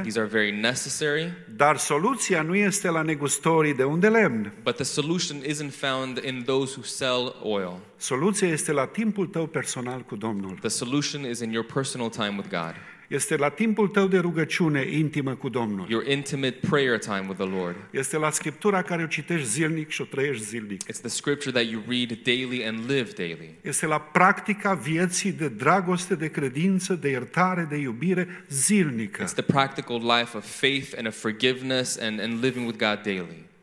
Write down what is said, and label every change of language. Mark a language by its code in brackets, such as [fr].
[en] These are very necessary. [ro] Dar soluția nu este la negustorii de unt de lemn. [en] But the solution isn't found in those who sell oil. [ro] Soluția este la timpul tău personal cu Domnul. [en] The solution is in your personal time with God. [ro] Este la timpul tău de rugăciune intimă cu Domnul. [en] Your intimate prayer time with the Lord. [ro] Este la Scriptura care o citești zilnic și o trăiești zilnic. [en] It's the scripture that you read daily and live daily. [ro] Este la practica vieții de dragoste, de credință, de iertare, de iubire zilnică. [en] It's the practical life of faith and of forgiveness and living with God daily.